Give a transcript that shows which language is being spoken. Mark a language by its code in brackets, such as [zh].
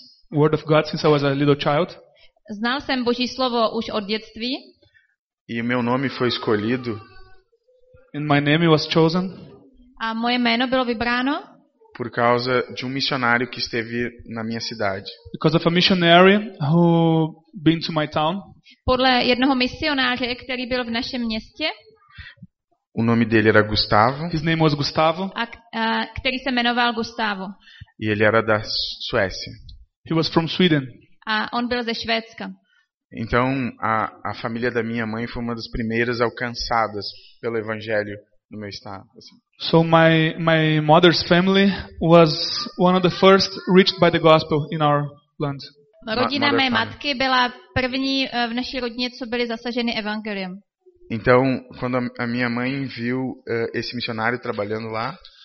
[en] Word of God since I was a little child. [cs] Znal jsem Boží slovo už od dětství. [pt] E meu nome foi escolhido. [en] And my name was chosen. [cs] A moje jméno bylo vybráno. [pt] Por causa de missionário que esteve na minha cidade. [en] Because of a missionary who been to my town. [cs] Podle jednoho misionáře, který byl v našem městě. [pt] O nome dele era Gustavo. [en] His name was Gustavo. [cs] Který se jmenoval Gustavo. [pt] E ele era da Suécia. [en] He was from Sweden. [cs] A on byl ze Švédska. [pt] Então a família da minha mãe foi uma das primeiras alcançadas pelo evangelho no meu estado. [en] So my mother's family was one of the first reached by the gospel in our land. [cs] Rodina mé matky byla první v naší rodině, co byli zasaženi evangeliem. [pt] Então, quando a minha mãe viu esse missionário trabalhando lá,